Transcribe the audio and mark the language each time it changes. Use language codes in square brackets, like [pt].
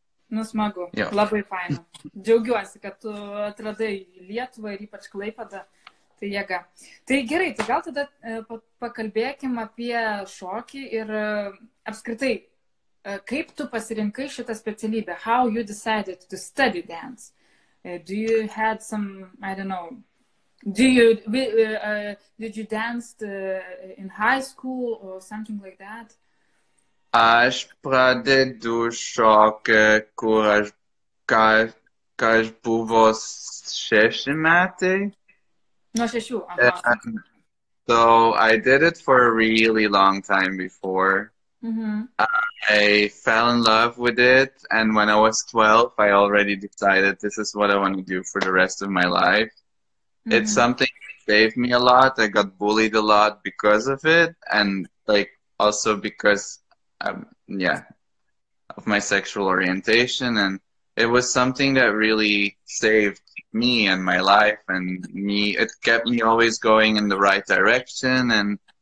[lt] Nu, smagu. Jo. Labai faina. Džiaugiuosi, kad tu atradai Lietuvą ir ypač Klaipėdą. Tai jėga. Tai gerai, tai gal tada pakalbėkim apie šokį ir apskritai, kaip tu pasirinkai šitą specialybę? [en] How you decided to study dance? Do you had some, I don't know, did you dance in high school or something like that? [lt] Aš pradedu šokį, kur aš, ką aš buvo 6 metai. Nuo 6, aha. [en] So, I did it for a really long time before. I fell in love with it, and when I was 12, I already decided this is what I want to do for the rest of my life. Mm-hmm. It's something that saved me a lot. I got bullied a lot because of it, and like also because of my sexual orientation, and it was something that really saved me and my life, and me, it kept me always going in the right direction, and